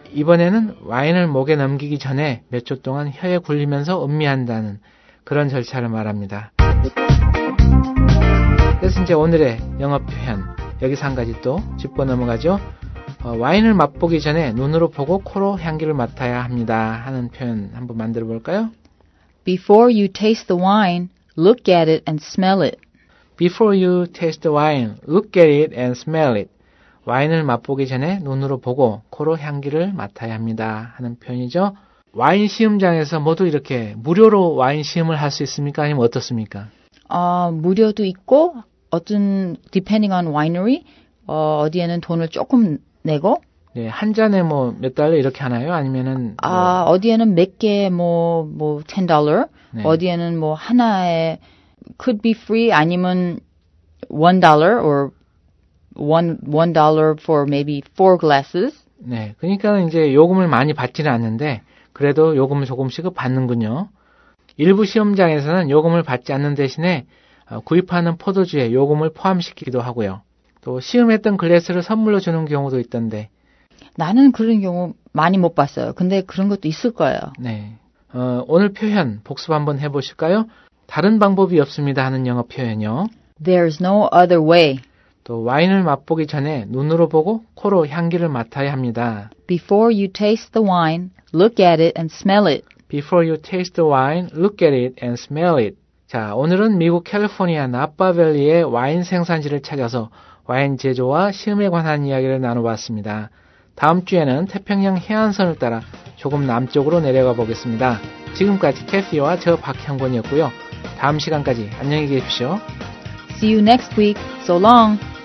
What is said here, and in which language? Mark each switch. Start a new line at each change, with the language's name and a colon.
Korean: 이번에는 와인을 목에 넘기기 전에 몇 초 동안 혀에 굴리면서 음미한다는 그런 절차를 말합니다. 그래서 이제 오늘의 영어 표현 여기서 한 가지 또 짚고 넘어가죠. 와인을 맛보기 전에 눈으로 보고 코로 향기를 맡아야 합니다 하는 표현 한번 만들어 볼까요?
English: Before you taste the wine, look at it and smell it. Before you taste the wine, look at it and smell it.
Korean: 와인을 맛보기 전에 눈으로 보고 코로 향기를 맡아야 합니다 하는 표현이죠. 와인 시음장에서 모두 이렇게 무료로 와인 시음을 할 수 있습니까? 아니면 어떻습니까? 무료도 있고 어떤
English: depending on winery
Korean: 어디에는 돈을 조금 내고 네, 한 잔에 뭐 몇 달러 이렇게 하나요? 아니면은 뭐, 어디에는 몇 개 뭐 $10 네. 어디에는 뭐 하나에
English: could be free
Korean: 아니면
English: $1 or $1 for maybe 4 glasses.
Korean: 네. 그러니까 이제 요금을 많이 받지는 않는데 그래도 요금을 조금씩은 받는군요. 일부 시험장에서는 요금을 받지 않는 대신에 구입하는 포도주에 요금을 포함시키기도 하고요. 또 시음했던 글래스를 선물로 주는 경우도 있던데. 나는 그런 경우 많이 못 봤어요. 근데 그런 것도 있을 거예요. 네. 오늘 표현 복습 한번 해보실까요? 다른 방법이 없습니다 하는 영어 표현이요.
English: There's no other way.
Korean: 또 와인을 맛보기 전에 눈으로 보고 코로 향기를 맡아야 합니다.
English: Before you taste the wine, look at it and smell it. Before you taste the wine, look at it and smell it.
Korean: 자, 오늘은 미국 캘리포니아 나파밸리의 와인 생산지를 찾아서 와인 제조와 시음에 관한 이야기를 나눠봤습니다. 다음 주에는 태평양 해안선을 따라 조금 남쪽으로 내려가 보겠습니다. 지금까지 캐피와 저 박형권이었고요. 다음 시간까지 안녕히 계십시오.
English: See you next week. So long.